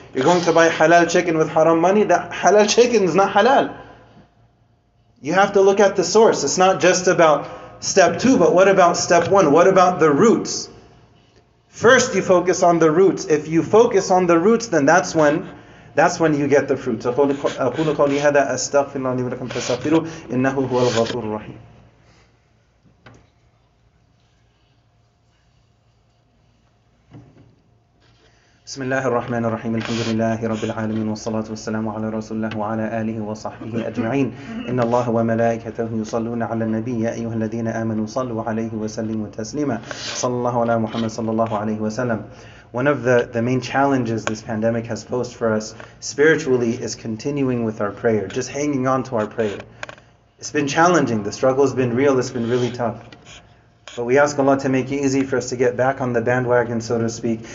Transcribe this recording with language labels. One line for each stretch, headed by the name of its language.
English: You're going to buy halal chicken with haram money. That halal chicken is not halal. You have to look at the source. It's not just about step two, but what about step one? What about the roots? First, you focus on the roots. If you focus on the roots, then that's when That's when you get the fruit.
Arabic: أقول قولي هذا أستغفر الله لي ولكم فاستغفروه إنه هو الغفور الرحيم. بسم الله الرحمن الرحيم الحمد لله رب العالمين والصلاة والسلام على رسول الله وعلى آله وصحبه أجمعين إن الله وملائكته يصلون على النبي يا أيها الذين آمنوا صلوا عليه وسلموا تسليما صلى الله على محمد صلى الله عليه وسلم.
English: One of the main challenges this pandemic has posed for us spiritually is continuing with our prayer, just hanging on to our prayer. It's been challenging, the struggle has been real, it's been really tough. But we ask Allah to make it easy for us to get back on the bandwagon, so to speak.